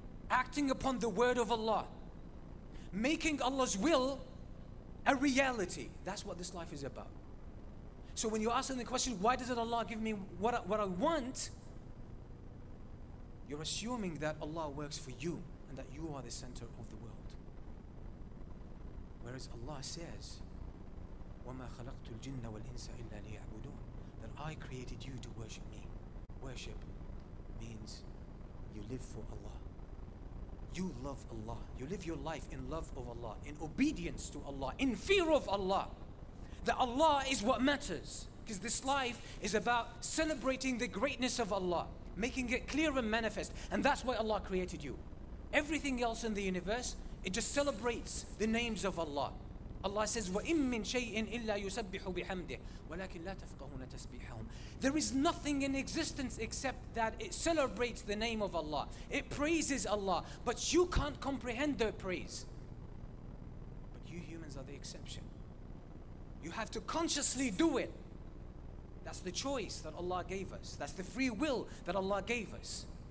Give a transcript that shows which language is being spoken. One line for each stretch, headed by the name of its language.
English: Acting upon the word of Allah. Making Allah's will a reality. That's what this life is about. So when you're asking the question, why doesn't Allah give me what I want? You're assuming that Allah works for you and that you are the center of the world. Whereas Allah says,
Arabic: وَمَا خَلَقْتُ الْجِنَّ وَالْإِنسَ إِلَّا لِيَعْبُدُونَ.
English: That I created you to worship me. Worship means you live for Allah. You love Allah. You live your life in love of Allah, in obedience to Allah, in fear of Allah. That Allah is what matters. Because this life is about celebrating the greatness of Allah, making it clear and manifest. And that's why Allah created you. Everything else in the universe, it just celebrates the names of Allah. Allah says,
Arabic: وَإِن مِّن شَيْءٍ إِلَّا يُسَبِّحُ بِحَمْدِهِ وَلَكِنْ لَا تَفْقَهُونَ تَسْبِحَهُمْ.
English: There is nothing in existence except that it celebrates the name of Allah. It praises Allah. But you can't comprehend their praise. But you humans are the exception. You have to consciously do it. That's the choice that Allah gave us. That's the free will that Allah gave us.